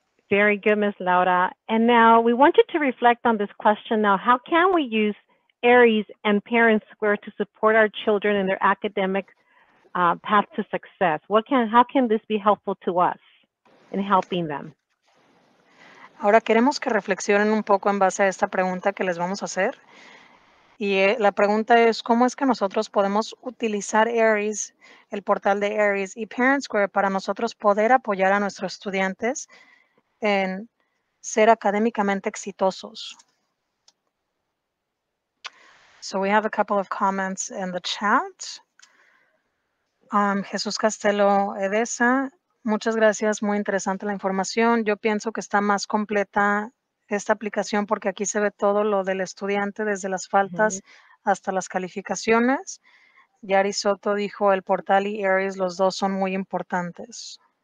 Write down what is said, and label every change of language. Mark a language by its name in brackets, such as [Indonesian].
[English] Very good, Ms. Laura. And now we want you to reflect on this question now. How can we use Aeries and ParentSquare to support our children in their academic path to success? How can this be helpful to us in helping them? [Spanish] Ahora queremos que reflexionen un poco en base a esta pregunta que les vamos a hacer. Y la pregunta es, ¿cómo es que nosotros podemos utilizar Aeries, el portal de Aeries y ParentSquare para nosotros poder apoyar a nuestros estudiantes en ser académicamente exitosos? [English] So we have a couple of comments in the chat. [Spanish] Jesús Castelo Edesa, muchas gracias, muy interesante la información. Yo pienso que está más completa esta aplicación porque aquí se ve todo lo del estudiante desde las faltas hasta las calificaciones. Yari Soto dijo, el portal y Aeries, los dos son muy importantes.